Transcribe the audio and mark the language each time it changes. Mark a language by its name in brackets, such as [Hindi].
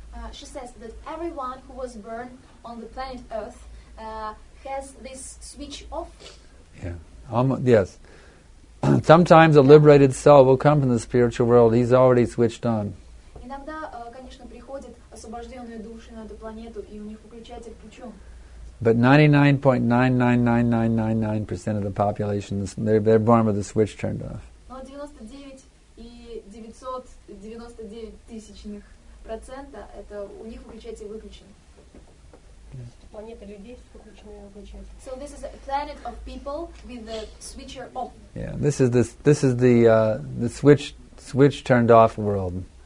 [English] She says that everyone who was born on the planet Earth has this switch off. Yes. Sometimes a liberated soul will come from the spiritual world. He's already switched on. [Russian] Иногда, конечно, приходят освобожденные души на эту планету, и у них выключатель включен. [English] But 99.999999% of the population, they're born with the switch turned off. [Russian] Но 99.999% это у них выключатель выключен. [English] So this is a planet of people with the switcher off. Yeah, this is the switch turned off world.